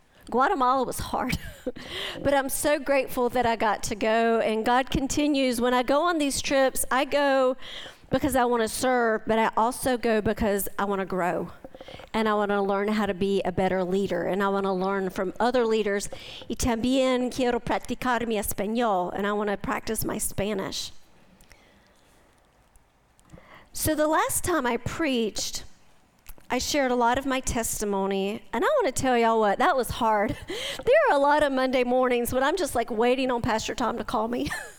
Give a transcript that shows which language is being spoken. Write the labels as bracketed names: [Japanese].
[English] Guatemala was hard. But I'm so grateful that I got to go. And God continues. When I go on these trips, I go because I want to serve, but I also go because I want to grow. And I want to learn how to be a better leader. And I want to learn from other leaders. [Spanish] Y también quiero practicar mi español. [English] And I want to practice my Spanish. So the last time I preached, I shared a lot of my testimony, and I want to tell y'all what, that was hard. There are a lot of Monday mornings when I'm just like waiting on Pastor Tom to call me.